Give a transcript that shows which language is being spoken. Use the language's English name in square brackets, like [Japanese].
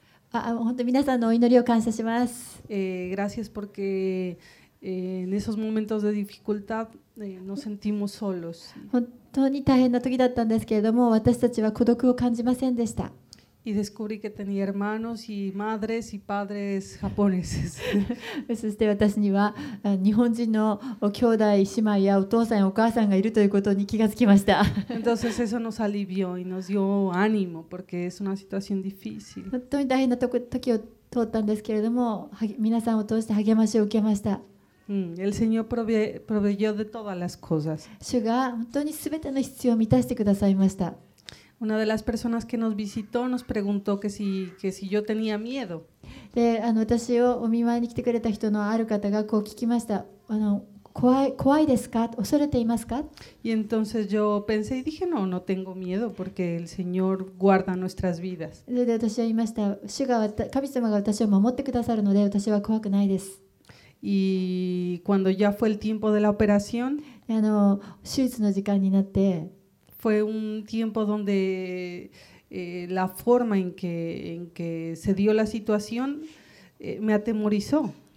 [Japanese] 本当に皆さんのお祈りを感謝します。 [Spanish] Gracias porque en esos momentos de dificultad nos sentimos solos. [Japanese] 本当に大変な時だったんですけれども、私たちは孤独を感じませんでした。 [Spanish] Y descubrí que tenía hermanos y madres y padres japoneses. [Japanese] そして私には日本人の兄弟姉妹やお父さんお母さんがいるということに気がつきました。 [Spanish] Entonces eso nos alivió y nos dio ánimo porque es una situación difícil. [Japanese] 本当に大変な時を通ったんですけれども、皆さんを通して励ましを受けました。 [Spanish] El Señor proveyó de todas las cosas. [Japanese] 主が本当に全ての必要を満たしてくださいました。 [Spanish] Una de las personas que nos visitó nos preguntó que si yo tenía miedo. [Japanese] で、私をお見舞いに来てくれた人のある方がこう聞きました。怖いですか？恐れていますか？ [Spanish] Y entonces yo pensé y dije no tengo miedo porque el Señor guarda nuestras vidas. [Japanese] で、私は言いました。主が神様が私を守ってくださるので私は怖くないです。 [Spanish] Y cuando ya fue el tiempo de la operación. [Japanese] 手術の時間になって。 [Spanish] Fue un tiempo donde la forma en que se dio la situación me atemorizó.